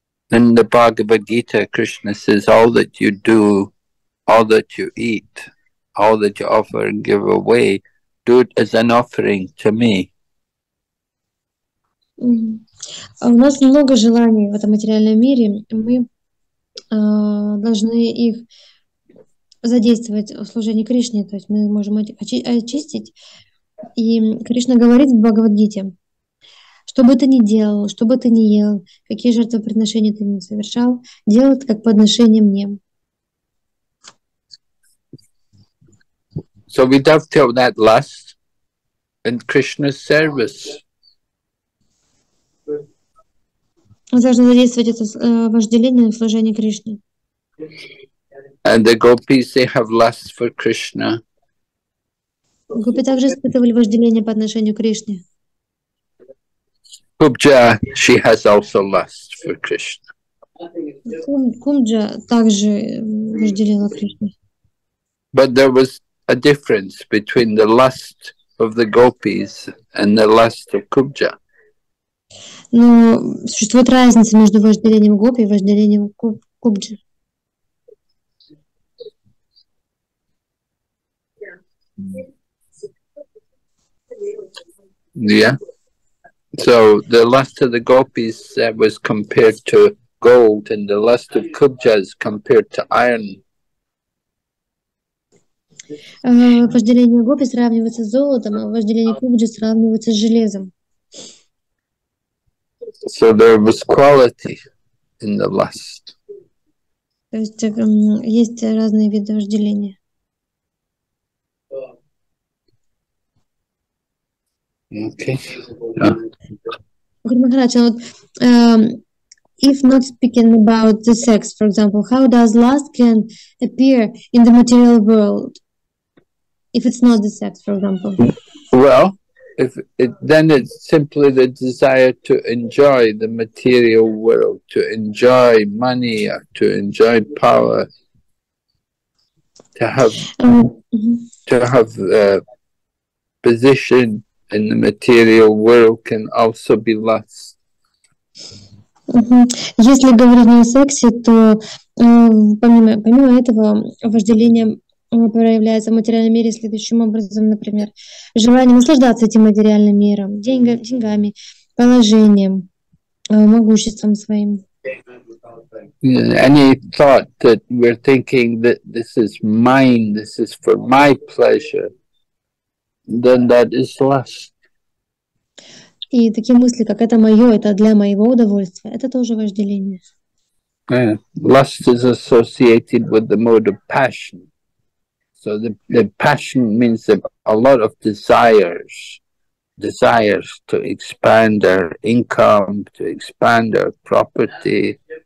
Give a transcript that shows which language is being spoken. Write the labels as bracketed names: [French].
[English] In the Bhagavad Gita, Krishna says, all that you do, all that you eat, all that you offer and give away, do it as an offering to me. [Russian] У нас много желаний в этом материальном мире. Мы должны их задействовать в служении Кришне. То есть мы можем очистить. И Кришна говорит в Бхагавад-гите, что бы ты ни делал, что бы ты ни ел, какие жертвоприношения ты ни совершал, делай это как подношение мне. [English] So we dovetail that lust in Krishna's service. [Russian] Мы должны задействовать это вожделение в служении Кришне. [English] And the gopis, they have lust for Krishna. [Russian] Гопи также испытывали вожделение по отношению к Кришне. [English] Кумджа, she has also lust for Krishna. [Russian] Кумджа также вожделела Кришне. [English] But there was a difference between the lust of the gopis and the lust of Kumja. [Russian] Но существует разница между вожделением гопи и вожделением Кумджи. [English] Yeah. So the lust of the gopis that was compared to gold, and the lust of Kumjas compared to iron. [Russian] Вожделение гопи сравнивается с золотом, а вожделение кумджи сравнивается с железом. [English] So there was quality in the lust. [Russian] То есть есть разные виды вожделения. [English] Okay. Гуру Махарадж, вот, if not speaking about the sex, for example, how does lust can appear in the material world? If it's not the sex, for example. Well, if it, then it's simply the desire to enjoy the material world, to enjoy money, to enjoy power, position in the material world can also be lust. [Russian] Если говорить не о сексе, то помимо этого вожделение проявляется в материальном мире следующим образом, например, желание наслаждаться этим материальным миром, деньгами, положением, могуществом своим. [English] Any thought that we're thinking that this is mine, this is for my pleasure, then that is lust. [Russian] И такие мысли, как это мое, это для моего удовольствия, это тоже вожделение. [English] Yeah. Lust is associated with the mode of passion. So the passion means a lot of desires. Desires to expand our income, to expand our property.